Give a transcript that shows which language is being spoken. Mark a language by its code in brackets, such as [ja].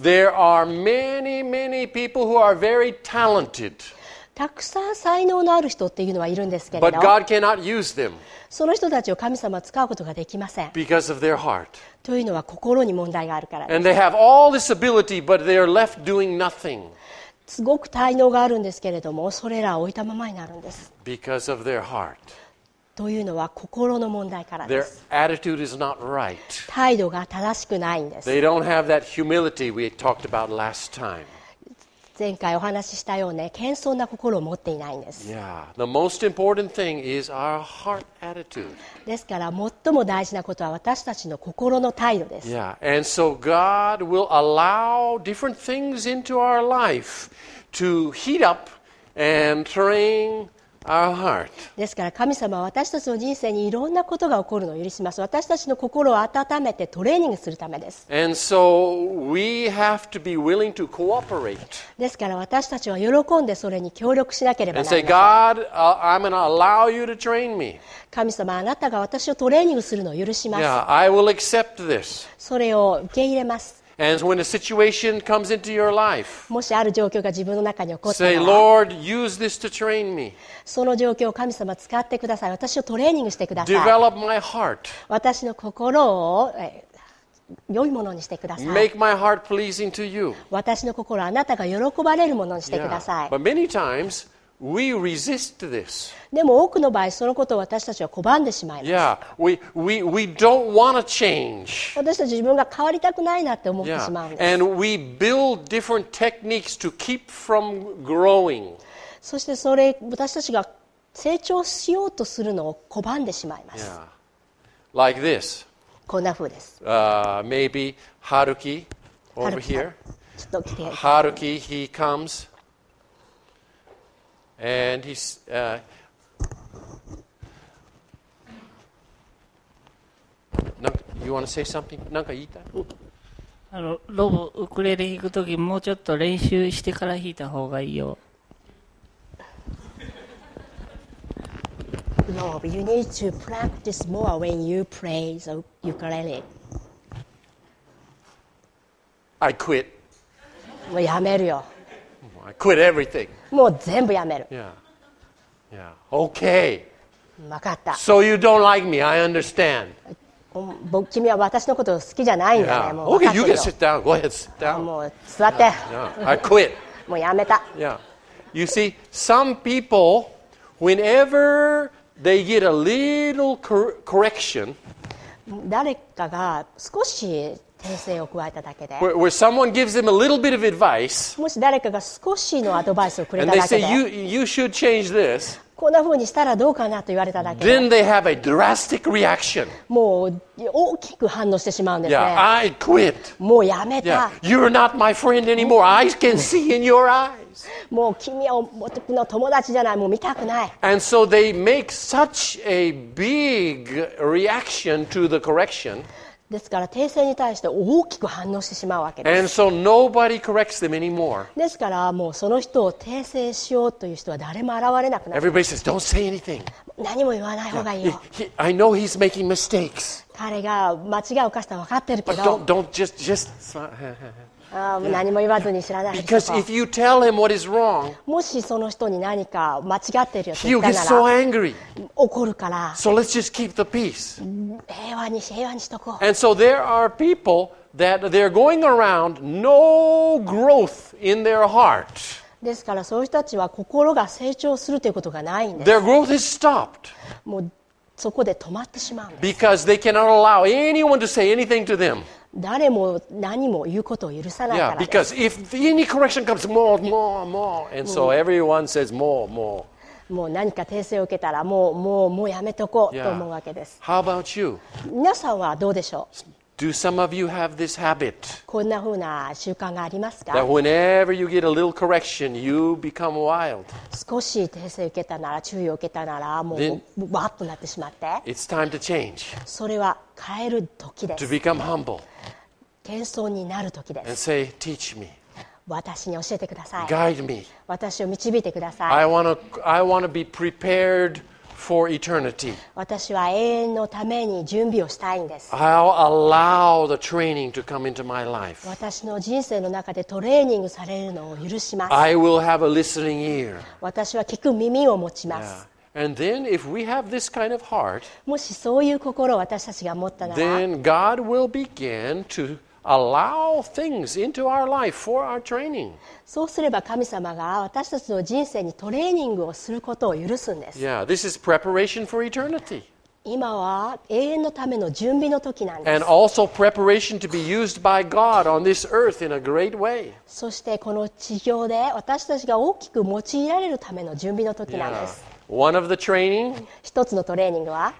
[en] There are many, many people who are very talented. [ja] たくさん才能のある人っていうのはいるんですけれど、 [en] But God cannot use them. [ja] その人たちを神様は使うことができません。 [en] Because of their heart. [ja] というのは心に問題があるからです。 [en] And they have all this ability, but they are left doing nothing. [ja] すごく才能があるんですけれども、それらを置いたままになるんです。 [en] Because of their heart. [ja] というのは心の問題からです。 [en] Their attitude is not right. [ja] 態度が正しくないんです。 [en] They don't have that humility we talked about last time. [ja] 前回お話ししたように、謙遜な心を持っていないんです。 [en] Yeah. The most important thing is our heart attitude. [ja] ですから最も大事なことは私たちの心の態度です。 [en] Yeah. And so God will allow different things into our life to heat up and train. Our heart. [ja] ですから神様は私たちの人生にいろんなことが起こるのを許します。私たちの心を温めてトレーニングするためです。 [en] And so we have to be willing to cooperate. [ja] ですから私たちは喜んでそれに協力しなければなりません。 [en] And say, God, I'm going to allow you to train me. [ja] 神様、あなたが私をトレーニングするのを許します。 [en] Yeah, I will accept this. [ja] それを受け入れます。 [en] And when a situation comes into your life, [ja] もしある状況が自分の中に起こったら、 [en] say, Lord, use this to train me. [ja] その状況を神様使ってください。私をトレーニングしてください。 [en] Develop my heart. [ja] 私の心を良いものにしてください。 [en] Make my heart pleasing to you. [ja] 私の心をあなたが喜ばれるものにしてください。 [en] Yeah. But many times, we resist this. [ja] でも多くの場合、そのことを私たちは拒んでしまいます。 [en] Yeah, we don't want to change. [ja] 私たちは自分が変わりたくないなって思ってしまうんです。 [en] Yeah. And we build different techniques to keep from growing. [ja] そしてそれ、私たちが成長しようとするのを拒んでしまいます。 [en] Yeah. Like this. [ja] こんな風です。 [en] Maybe Haruki over here. [ja] ちょっと来て。 [en] Haruki, he comes. And he's, you want to say something? [ja] なんか言いたい？あの、ロボ、ウクレレ弾くとき、もうちょっと練習してから弾いた方がいいよ。 [en] ロボ、you need to practice more when you play the ukulele. I quit. [ja] もうやめるよ。 [en] I quit everything. [ja] もう全部やめる。 [en] Yeah. Yeah. Okay. [ja] 分かった。 [en] So you don't like me? I understand. [ja] 僕、君は私のこと好きじゃないんだね。 [en] Yeah. [ja] もう [en] okay, you can sit down. Go ahead, sit down. [ja] もう座って。 [en] Yeah. Yeah. I quit. [ja] もうやめた。 [en] Yeah. You see, some people, whenever they get a little correction, [ja] 誰かが少し訂正を加えただけで、 [en] where someone gives them a little bit of advice, [ja] もし誰かが少しのアドバイスをくれただけで、 [en] and they say you should change this, [ja] こんな風にしたらどうかなと言われただけで、 [en] then they have a drastic reaction, [ja] もう大きく反応してしまうんですね。 [en] Yeah, I quit. [ja] もうやめた。 [en] Yeah, you're not my friend anymore. I can see in your eyes. [ja] もう君は僕の友達じゃない。もう見たくない。 [en] And so they make such a big reaction to the correction. [ja] ですから訂正に対して大きく反応してしまうわけです。 [en] And so nobody corrects them anymore. [ja] ですからもうその人を訂正しようという人は誰も現れなくなる。 [en] Everybody says, don't say anything. [ja] 何も言わない方がいいよ。 [en] Yeah. I know he's making mistakes. [ja] 彼が間違いを犯したら分かってるけど。 [en] But don't just [ja] 何も言わずに知らない。 [en] Because if you tell him what is wrong, [ja] もしその人に何か間違ってるよって言ったなら、 [en] he'll get so angry. [ja] 怒るから。 [en] So let's just keep the peace. [ja] 平和にしとこう。 [en] And so there are people that they're going around no growth in their heart. [ja] ですからそういう人たちは心が成長するということがないんです。 [en] Their growth is stopped. [ja] もうそこで止まってしまうんです。 [en] Because they cannot allow anyone to say anything to them. [ja] 誰も何も言うことを許さないからです。 [en] Yeah, because if any correction comes, more, and so everyone says more. [ja] もう何か訂正を受けたらもうやめとこうと思うわけです。 [en] Yeah. How about you? [ja] 皆さんはどうでしょう? [en] Do some of you have this habit? [ja] こんなふうな習慣がありますか? [en] That whenever you get a little correction, you become wild. [ja] 少し訂正を受けたなら、注意を受けたなら、もうワッとなってしまって。 [en] It's time to change. [ja] それは変える時です。 [en] To become humble. [ja] 謙遜になる時です。 [en] And say, teach me. [ja] 私に教えてください。 [en] Guide me. [ja] 私を導いてください。 [en] I want to be prepared for eternity. [ja] 私は永遠のために準備をしたいんです。 [en] I'll allow the training to come into my life. [ja] 私の人生の中でトレーニングされるのを許します。 [en] I will have a listening ear. [ja] 私は聞く耳を持ちます。 [en] Yeah. And then if we have this kind of heart, [ja] もしそういう心を私たちが持ったなら、 [en] then God will begin to allow things into our life for our training. [ja] そうすれば神様が私たちの人生にトレーニングをすることを許すんです。 [en] Yeah, this is preparation for eternity. [ja] 今は永遠のための準備の時なんです。 [en] And also preparation to be used by God on this earth in a great way. [ja] そしてこの地上で私たちが大きく用いられるための準備の時なんです。 [en] Yeah. One of the training [ja] 一つのトレーニングは